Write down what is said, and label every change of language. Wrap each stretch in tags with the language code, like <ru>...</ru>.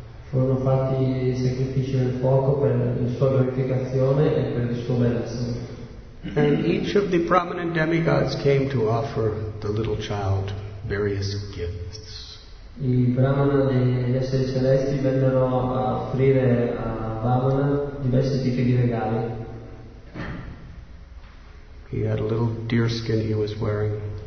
<it>Furono fatti sacrifici del fuoco per la sua glorificazione e per il suo benessere.</it> <en>And each of the prominent demigods came to offer the little child various gifts.</en> <it>I brahmana degli esseri celesti vennero a offrire a Vamana diversi tipi di regali.</it> <en>He had a little deer skin he was wearing.</en>